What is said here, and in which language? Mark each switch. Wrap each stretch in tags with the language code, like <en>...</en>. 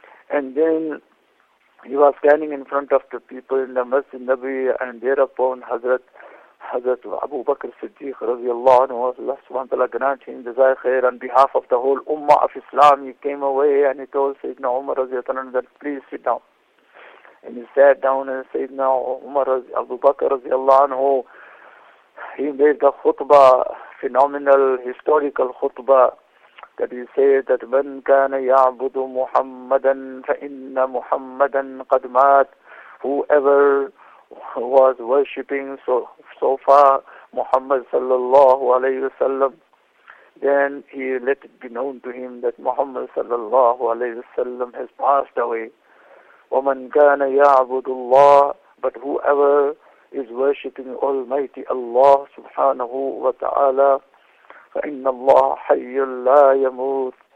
<en>And then he was standing in front of the people in the Masjid Nabi, and thereupon Hazrat Abu Bakr Siddiq radiallahu anhu, Allah subhanahu wa ta'ala grant him jazai khair, on behalf of the whole Ummah of Islam, he came away and he told Sayyidina Umar radiallahu anhu that please sit down. And he sat down, and Sayyidina Umar Abu Bakr radiallahu anhu, he made the khutbah, phenomenal historical khutbah. That he said that</en> <ar>من كان يعبد محمدا فإن محمدا قد مات.</ar> <en>Whoever was worshipping so far Muhammad sallallahu alayhi wasallam, then he let it be known to him that Muhammad sallallahu alayhi wasallam has passed away.</en> <ar>ومن كان يعبد الله,</ar> <en>but whoever is worshipping Almighty Allah subhanahu wa ta'ala,</en> <ar>فَإِنَّ اللَّهَ حَيٌّ لَا يَمُوتُ.</ar>